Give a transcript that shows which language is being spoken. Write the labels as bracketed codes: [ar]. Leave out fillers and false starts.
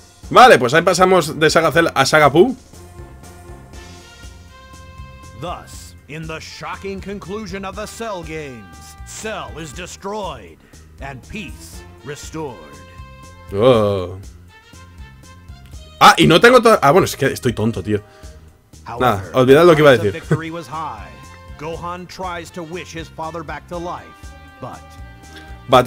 [es] Vale, pues ahí pasamos de Saga Cell a Saga Buu. [en] Thus, in the shocking conclusion of the Cell games, Cell is destroyed and peace restored. Oh. [es] Ah, y no tengo bueno, es que estoy tonto, tío. Nada, olvidad lo que iba a decir. [en] Gohan tries to wish his father back to life, but